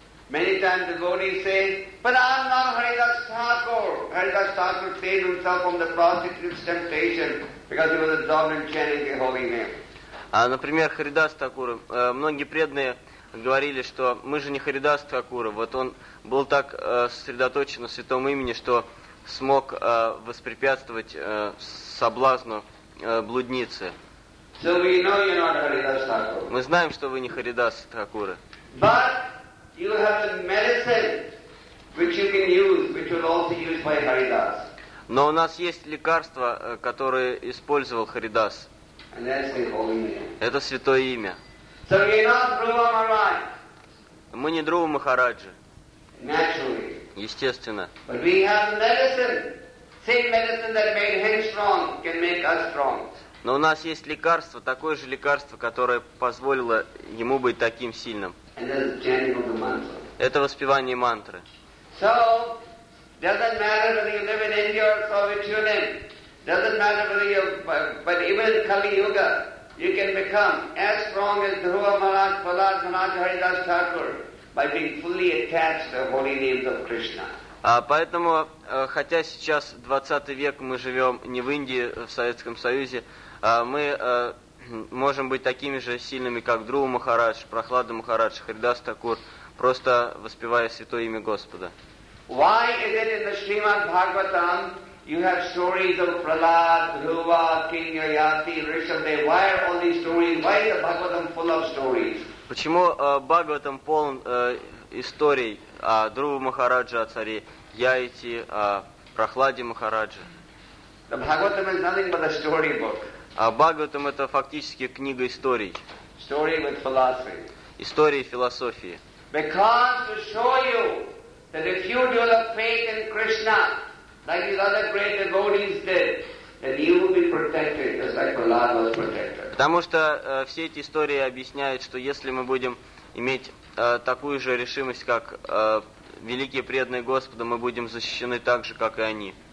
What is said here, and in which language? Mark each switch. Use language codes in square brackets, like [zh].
[en] Many times the devotees say, but I'm not Haridas Thakur. Haridas Thakur saved himself from the prostitute's temptation because he was absorbed in chanting the holy name. [ru] Например, Харидас Такур, многие преданные говорили, что мы же не Харидас Такура. Вот он был так сосредоточен на святом имени, что смог воспрепятствовать соблазну блудницы. [en] So we know you're not Haridas Thakur. [ru] Мы знаем, что вы не Харидас Такура. [en] But you have a medicine which you can use, which will also be used by Haridas. [ru] Но у нас есть лекарство, которое использовал Харидас. [en] And that's the holy name. [ru] Это святое имя. [en] So we're not Dhruva Maharaj. [ru] Мы не Дхрува Махараджа. [en] Naturally. [ru] Естественно. [en] But we have medicine. Same medicine that made him strong can make us strong. [ru] Но у нас есть лекарство, такое же лекарство, которое позволило ему быть таким сильным. [en] And that's chanting of the mantra. [ru] Это воспевание мантры. [en] So, doesn't matter whether you live in India or Soviet Union. Doesn't matter whether you, but even in Kali Yuga, you can become as strong as Dhruva Maharaj, Palas Maharaj, Haridas Thakur by being fully attached to the holy names of Krishna. [ru] Поэтому, хотя сейчас 20 век, мы живем не в Индии, в Советском Союзе, мы можем быть такими же сильными, как Дхрува Махарадж, Прохлада Махарадж, Харидас Такур, просто воспевая святое имя Господа. [en] Why is it in the Srimad Bhagavatam you have stories of Prahlad, Dhruva, King Yayati, Rishabdev? Why are all these stories? Why is the Bhagavatam full of stories? [ru] Почему Бхагаватам полон историй о Дхруве Махараджа, о царе Яйти, о Прохладе Махараджа? [en] The Bhagavatam is nothing but a storybook. [ru] А Бхагаватам это фактически книга историй. [en] Story with philosophy. [ru] Истории философии. [en] Because to show you that if you develop faith in Krishna, like these other great devotees did, then you will be protected, just like Prahlad was protected. [ru] Потому что все эти истории объясняют, что если мы будем иметь такую же решимость, как великие преданные Господа, мы будем защищены так же, как и они.